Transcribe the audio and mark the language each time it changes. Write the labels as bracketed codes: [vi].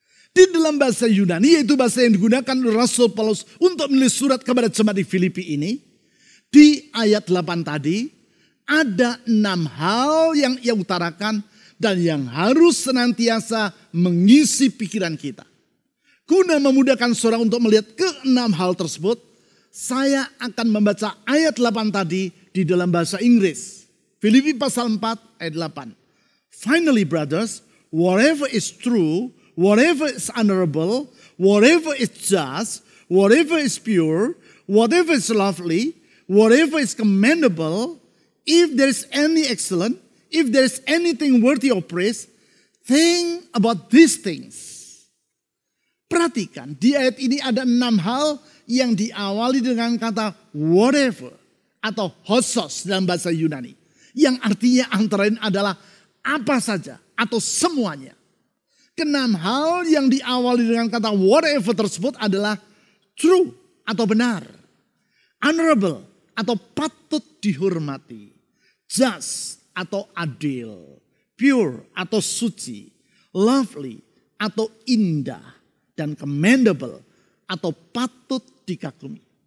[id] Di dalam bahasa Yunani, yaitu bahasa yang digunakan Rasul Paulus untuk menulis surat kepada jemaat di Filipi ini, di ayat 8 tadi, ada 6 hal yang ia utarakan dan yang harus senantiasa mengisi pikiran kita. Guna memudahkan seorang untuk melihat ke-6 hal tersebut, saya akan membaca ayat 8 tadi di dalam bahasa Inggris. Filipi pasal 4 ayat 8. [en] Finally, brothers, whatever is true, whatever is honorable, whatever is just, whatever is pure, whatever is lovely, whatever is commendable, if there is any excellent, if there is anything worthy of praise, think about these things. [id] Perhatikan, di ayat ini ada 6 hal yang diawali dengan kata whatever atau hosos dalam bahasa Yunani. Yang artinya antara lain adalah apa saja atau semuanya. Kenam hal yang diawali dengan kata whatever tersebut adalah true atau benar, honorable atau patut dihormati, just atau adil, pure atau suci, lovely atau indah, dan commendable atau patut dikagumi.